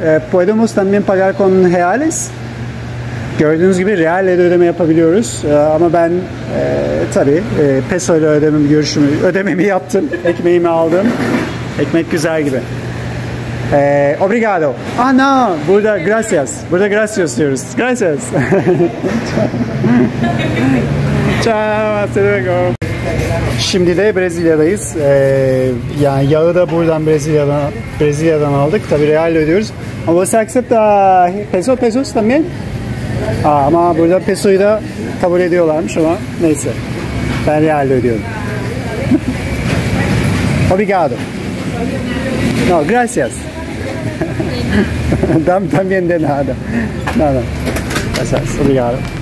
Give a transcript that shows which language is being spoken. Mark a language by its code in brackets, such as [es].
[es] Podemos también pagar con reales. [tr] Gördüğünüz gibi real ile ödeme yapabiliyoruz. Ama ben tabii peso ile ödememi yaptım. Ekmeğimi aldım. Ekmek güzel gibi. [pt] Obrigado. [tr] Ah no, burada gracias. Burada gracias diyoruz. Gracias. Ciao, [es] hasta luego. [tr] Şimdi de Brezilya'dayız. Yani yağı da buradan Brezilya'dan aldık. Tabii real ile ödüyoruz. Ama [es] se acepta pesos también. [tr] Ama burada pesoyu da kabul ediyorlarmış, ama neyse. Ben real ile ödüyorum. [pt] Obrigado. [es] No, gracias. También de nada. Nada. Gracias. [pt] Obrigado.